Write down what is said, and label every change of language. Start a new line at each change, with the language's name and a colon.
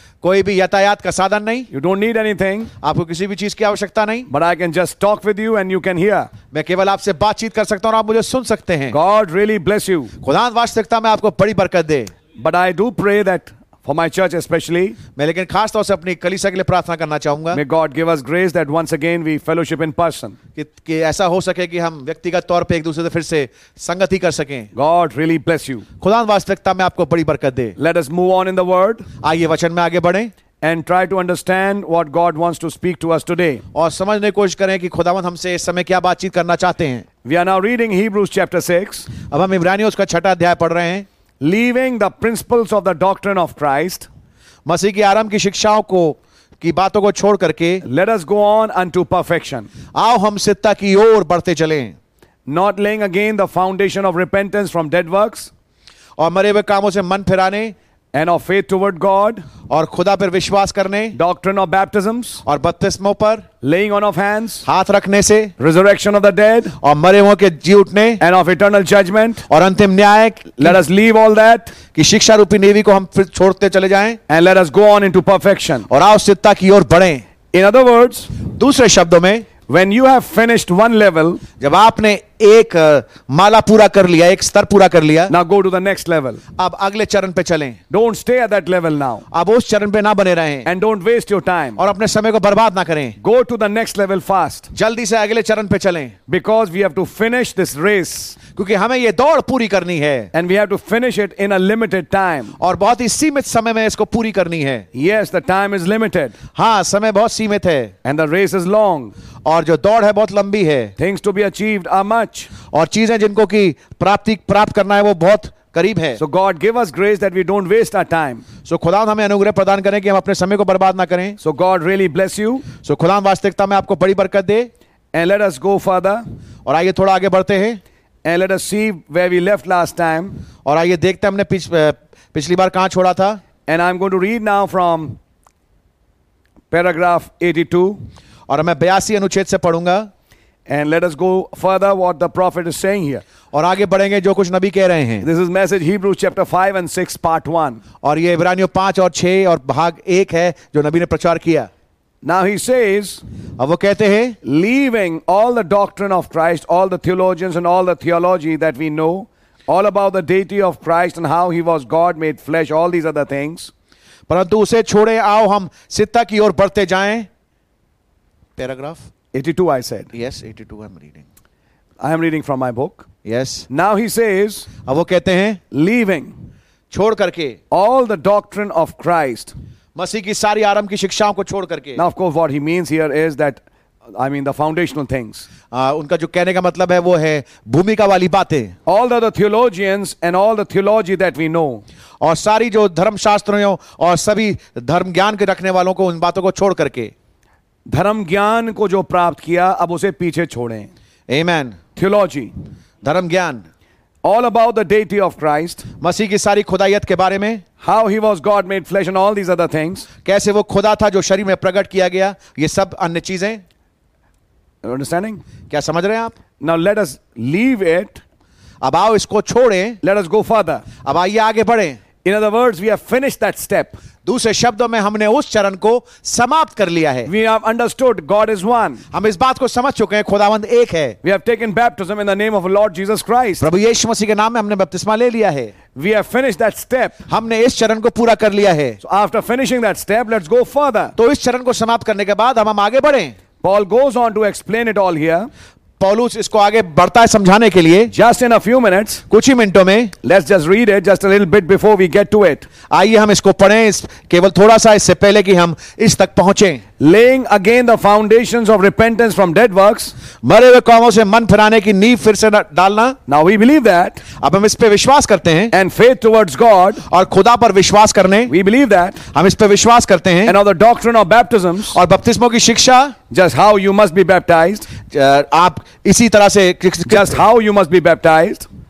Hindi: कोई भी यातायात का साधन नहीं.
English: You don't need anything.
Hindi: आपको किसी भी चीज की आवश्यकता नहीं.
English: But I can just talk with you and you can hear.
Hindi: मैं केवल आपसे बातचीत कर सकता हूँ और आप मुझे सुन सकते हैं.
English: God really bless you.
Hindi: खुदा वास्तविकता में आपको बड़ी बरकत दे.
English: But I do pray that for my church especially.
Hindi: मैं लेकिन खास तौर से अपनी कलीसिया के लिए प्रार्थना करना चाहूंगा.
English: May God give us grace that once again we fellowship in person.
Hindi: कि ऐसा हो सके कि हम व्यक्तिगत तौर पे एक दूसरे से फिर से संगति कर सकें.
English: God really bless you.
Hindi: खुदा वास्तविकता में आपको बड़ी बरकत दे.
English: Let us move on in the word.
Hindi: आइए वचन में आगे बढ़ें.
English: And try to understand what God wants to speak to us today.
Hindi: और समझने की कोशिश करें कि खुदावंद हमसे इस समय क्या बातचीत करना चाहते हैं.
English: We are now reading Hebrews chapter 6.
Hindi: अब हम इब्रानियों का छठा अध्याय पढ़ रहे हैं.
English: Leaving the principles of the doctrine of Christ,
Hindi: मसीह की आराम की शिक्षाओं को की बातों को छोड़ करके,
English: let us go on unto perfection.
Hindi: आओ हम सिद्धता की ओर बढ़ते चलें.
English: Not laying again the foundation of repentance from dead works,
Hindi: और मरे हुए कामों से मन फिराने,
English: and of faith toward God,
Hindi: और खुदा पर विश्वास करने,
English: doctrine of baptisms,
Hindi: और बपतिस्मों पर,
English: laying on of hands,
Hindi: हाथ रखने से,
English: resurrection of the dead,
Hindi: और मरे हुओं के जी उठने,
English: and of eternal judgment,
Hindi: और अंतिम न्याय.
English: Let us leave all that,
Hindi: कि शिक्षा रूपी नेवी को हम फिर छोड़ते चले जाएं,
English: and let us go on into perfection,
Hindi: और आओ सिद्धता की ओर बढ़ें.
English: In other words,
Hindi: दूसरे शब्दों में,
English: when you have finished one level,
Hindi: जब आपने एक माला पूरा कर लिया, एक स्तर पूरा कर लिया,
English: now go to the next level.
Hindi: अब अगले चरण पे चलें.
English: Don't stay at that level now.
Hindi: अब उस चरण पे ना बने रहें.
English: And don't waste your time.
Hindi: और अपने समय को बर्बाद ना करें.
English: Go to the next level fast.
Hindi: जल्दी से अगले चरण पे चलें.
English: Because we have to finish this race.
Hindi: क्योंकि हमें ये दौड़ पूरी करनी है.
English: And we have to finish it in a limited time.
Hindi: और बहुत ही सीमित समय में इसको पूरी करनी है.
English: Yes, the time is limited.
Hindi: हाँ, समय बहुत सीमित है.
English: And the race is long.
Hindi: और जो दौड़ है बहुत लंबी है.
English: Things to be achieved are much.
Hindi: और चीजें जिनको की प्राप्ति प्राप्त करना है वो बहुत करीब है.
English: So God give us grace that we don't waste our time.
Hindi: So खुदा हमें अनुग्रह प्रदान करें कि हम अपने समय को बर्बाद ना करें.
English: So God really bless you.
Hindi: So खुदा वास्तविकता में आपको बड़ी बरकत दे.
English: And let us go further.
Hindi: और आइए थोड़ा आगे बढ़ते हैं.
English: And let us see where we left last time.
Hindi: और आइए देखते हैं हमने पिछली बार कहां छोड़ा था.
English: And I'm going to read now from paragraph 82.
Hindi: और मैं 82 अनुच्छेद से पढ़ूंगा.
English: And let us go further what the prophet is saying here.
Hindi: और आगे बढ़ेंगे जो कुछ नबी कह रहे हैं.
English: This is message Hebrews chapter 5 and 6 part 1.
Hindi: और ये इब्रानियों 5 और 6 और भाग 1 है जो नबी ने प्रचार किया.
English: Now he says,
Hindi: अब वो कहते हैं,
English: leaving all the doctrine of Christ, all the theologians and all the theology that we know, all about the deity of Christ and how he was God made flesh, all these other things.
Hindi: परंतु उसे छोड़े आओ हम सिद्धता की ओर बढ़ते जाएं. Paragraph
English: 82, I said. Yes, 82, I'm reading. I am reading from my book. Yes. Now he says,
Hindi: अब वो कहते हैं,
English: leaving,
Hindi: छोड़ करके,
English: all the doctrine of Christ,
Hindi: मसीह की सारी आराम की शिक्षाओं को छोड़ करके.
English: Now, of course, what he means here is that, I mean, the foundational things.
Hindi: उनका जो कहने का मतलब है वो है भूमिका वाली बातें.
English: All the other theologians and all the theology that we know.
Hindi: और सारी जो धर्मशास्त्रों और सभी धर्म ज्ञान के रखने वालों को उन बातों को छोड़ करके. धर्म ज्ञान को जो प्राप्त किया अब उसे पीछे छोड़ें.
English: Amen. Theology,
Hindi: धर्म ज्ञान.
English: All about the deity of Christ,
Hindi: मसीह की सारी खुदाइयत के बारे में.
English: How he was God made flesh and all these other things,
Hindi: कैसे वो खुदा था जो शरीर में प्रकट किया गया, ये सब अन्य चीजें.
English: Understanding?
Hindi: क्या समझ रहे हैं आप.
English: Now let us leave it.
Hindi: अब आओ इसको छोड़ें.
English: Let us go further.
Hindi: अब आइए आगे बढ़ें.
English: In other words, we have finished that step.
Hindi: दूसरे शब्दों में हमने उस चरण को समाप्त कर लिया है.
English: We have understood God is one.
Hindi: हम इस बात को समझ चुके हैं खुदावंद एक है.
English: We have taken baptism in the name of Lord Jesus Christ.
Hindi: प्रभु यीशु मसीह के नाम में हमने बपतिस्मा ले लिया है.
English: We have finished that step.
Hindi: हमने इस चरण को पूरा कर लिया है.
English: So after finishing that step, let's go further.
Hindi: तो इस चरण को समाप्त करने के बाद हम आगे बढ़े.
English: Paul goes on to explain it all here.
Hindi: पौलुस इसको आगे बढ़ता है समझाने के लिए.
English: Just in a few minutes,
Hindi: कुछ ही मिनटों में.
English: Let's just read it just a little bit before we get to it.
Hindi: आइए हम इसको पढ़ें केवल थोड़ा सा इससे पहले कि हम इस तक पहुंचें.
English: Laying again the foundations of repentance from dead works.
Hindi: मरे हुए कामों से मन फिराने की नींव फिर से डालना.
English: Now we believe that.
Hindi: अब हम इस पे विश्वास करते हैं.
English: And faith towards God.
Hindi: और खुदा पर विश्वास करने.
English: We believe that.
Hindi: हम इस पे विश्वास करते हैं.
English: And on the doctrine of baptisms.
Hindi: और बपतिस्मों की शिक्षा.
English: Just how you must be baptized.
Hindi: आप इसी तरह से.
English: Just how you must be baptized.